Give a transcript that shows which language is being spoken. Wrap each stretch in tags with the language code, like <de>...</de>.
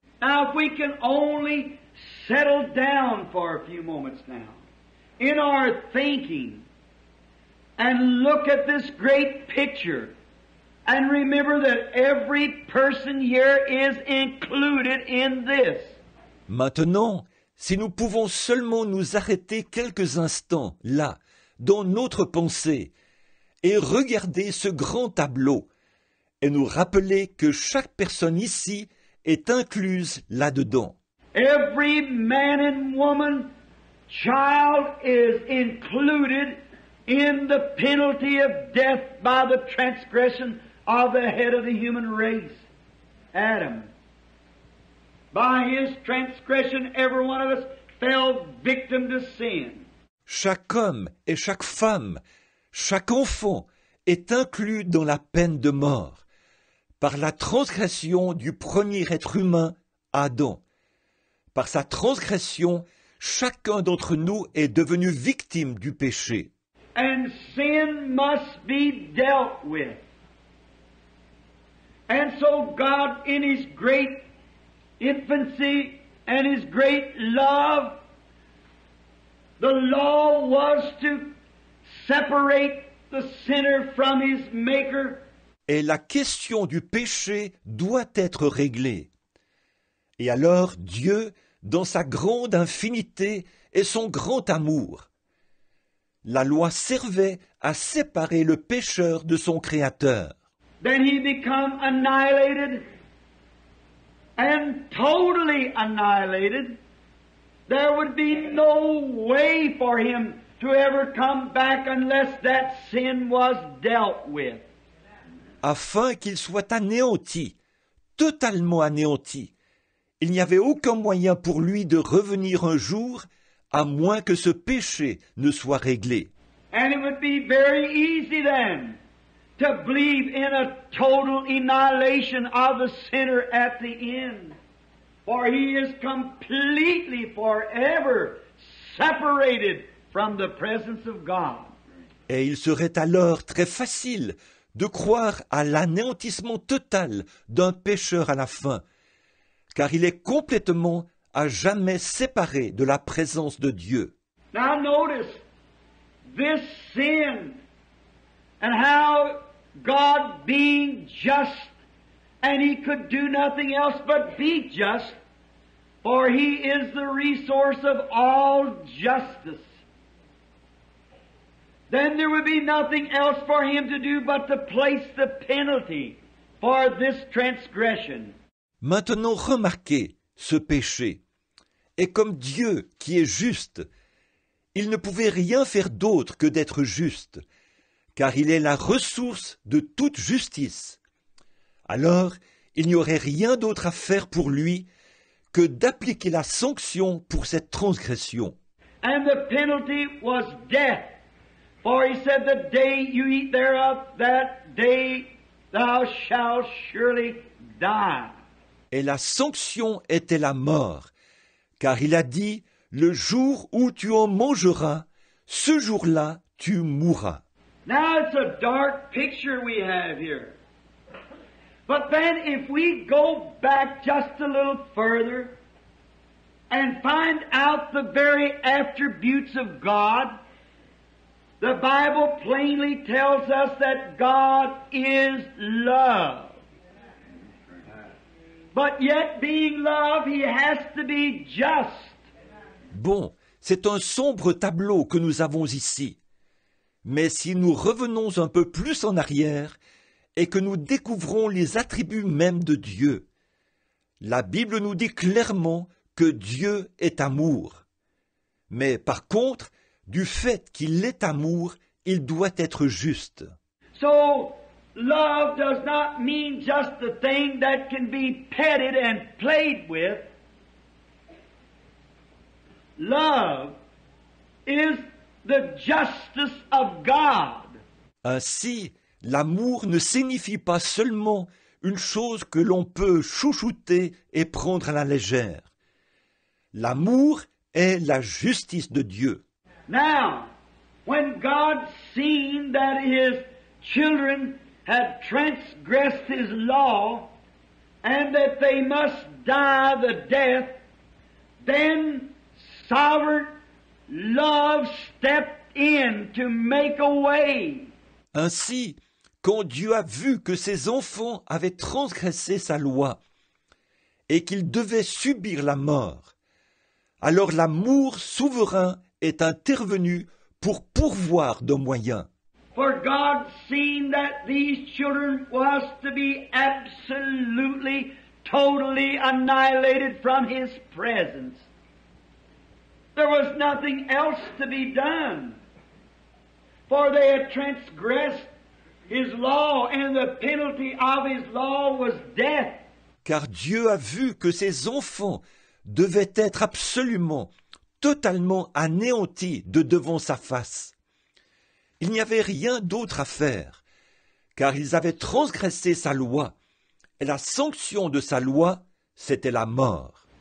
<en>Now, if we can only settle down for a few moments now in our thinking and look at this great picture and remember that every person here is included in this.</en> <fr>Maintenant, si nous pouvons seulement nous arrêter quelques instants là, dans notre pensée, et regarder ce grand tableau, et nous rappeler que chaque personne ici est incluse là-dedans.</fr> <en>Every man and woman, child is included in the penalty of death by the transgression of the head of the human race, Adam. By his transgression, every one of us fell victim to sin.</en> <fr>Chaque homme et chaque femme, chaque enfant est inclus dans la peine de mort par la transgression du premier être humain, Adam. Par sa transgression, chacun d'entre nous est devenu victime du péché.</fr> <en>And sin must be dealt with. And so God in his great infancy and his great love, the law was to separate the sinner from his maker.</en> <fr>Et la question du péché doit être réglée. Et alors Dieu, dans sa grande infinité et son grand amour, la loi servait à séparer le pécheur de son créateur.</fr> <en>Then he became annihilated and totally annihilated. There would be no way for him to ever come back unless that sin was dealt with.</en> <fr>Afin qu'il soit anéanti, totalement anéanti, il n'y avait aucun moyen pour lui de revenir un jour à moins que ce péché ne soit réglé.</fr> <en>And it would be very easy then to believe in a total annihilation of the sinner at the end. For he is completely, forever, separated from the presence of God.</en> <fr>Et il serait alors très facile de croire à l'anéantissement total d'un pécheur à la fin, car il est complètement à jamais séparé de la présence de Dieu.</fr> <en>Now notice this sin and how God being just and he could do nothing else but be just. For he is the resource of all justice. Then there would be nothing else for him to do but to place the penalty for this transgression.</en> <fr>Maintenant remarquez ce péché. Et comme Dieu qui est juste, il ne pouvait rien faire d'autre que d'être juste, car il est la ressource de toute justice. Alors, il n'y aurait rien d'autre à faire pour lui que d'appliquer la sanction pour cette transgression.</fr> <en>And the penalty was death. For he said, the day you eat thereof, that day thou shalt surely die.</en> <fr>Et la sanction était la mort, car il a dit, le jour où tu en mangeras, ce jour-là tu mourras.</fr> <en>Now it's a dark picture we have here. But then if we go back just a little further and find out the very attributes of God, the Bible plainly tells us that God is love. But yet being love, he has to be just.</en> <fr>Bon, c'est un sombre tableau que nous avons ici. Mais si nous revenons un peu plus en arrière, et que nous découvrons les attributs même de Dieu. La Bible nous dit clairement que Dieu est amour. Mais par contre, du fait qu'il est amour, il doit être juste.</fr> <en>So, love does not mean just the thing that can be petted and played with. Love is the justice of God.</en> <fr>Ainsi, l'amour ne signifie pas seulement une chose que l'on peut chouchouter et prendre à la légère. L'amour est la justice de Dieu.</fr> <en>Now, when God seen that his children had transgressed his law, and that they must die the death, then sovereign love stepped in to make a way.</en> <fr>Ainsi, quand Dieu a vu que ses enfants avaient transgressé sa loi et qu'ils devaient subir la mort, alors l'amour souverain est intervenu pour pourvoir de moyens.</fr> <en>For God seeing that these children was to be absolutely, totally annihilated from his presence. There was nothing else to be done. For they had transgressed his law, and the penalty of his law was death.</en> <fr>Car Dieu a vu que ses enfants devaient être absolument, totalement anéantis de devant sa face. Il n'y avait rien d'autre à faire, car ils avaient transgressé sa loi, et la sanction de sa loi, c'était la mort.</fr>